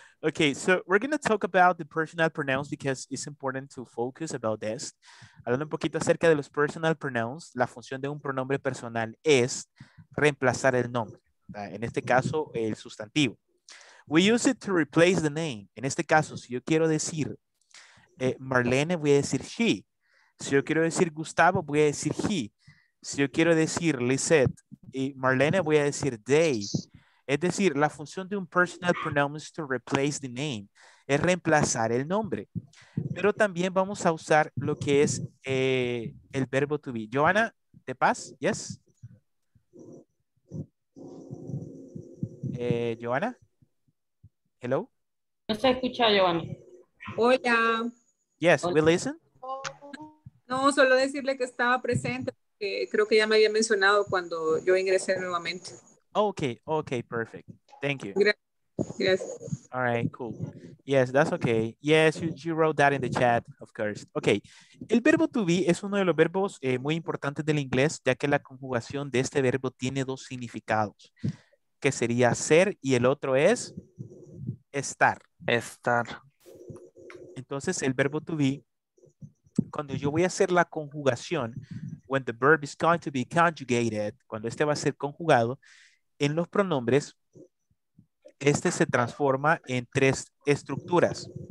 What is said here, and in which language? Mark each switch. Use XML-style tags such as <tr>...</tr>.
<en>Okay, so we're going to talk about the personal pronouns because it's important to focus about this.</en> <es>Hablando un poquito acerca de los personal pronouns, la función de un pronombre personal es reemplazar el nombre. En este caso, el sustantivo. We use it to replace the name. En este caso, si yo quiero decir Marlene, voy a decir she. Si yo quiero decir Gustavo, voy a decir he. Si yo quiero decir Lisette y Marlene, voy a decir they. Es decir, la función de un personal pronoun is to replace the name. Es reemplazar el nombre. Pero también vamos a usar lo que es el verbo to be. Joanna, ¿te pas? Yes.</es> <en>Joanna, hello.</en> <es>No se escucha, Joanna. Hola.</es> <en>Yes, hola. We listen.</en> <es>No, solo decirle que estaba presente. Creo que ya me había mencionado cuando yo ingresé nuevamente.</es> <en>Okay, perfect. Thank you.</en> <es>Gracias.</es> <en>All right, cool. Yes, that's okay. Yes, you wrote that in the chat, of course.</en> <es>Okay, el verbo to be es uno de los verbos muy importantes del inglés, ya que la conjugación de este verbo tiene dos significados. Que sería ser y el otro es estar. Estar. Entonces, el verbo to be, cuando yo voy a hacer la conjugación, when the verb is going to be conjugated, cuando este va a ser conjugado, en los pronombres, este se transforma en tres estructuras.</es>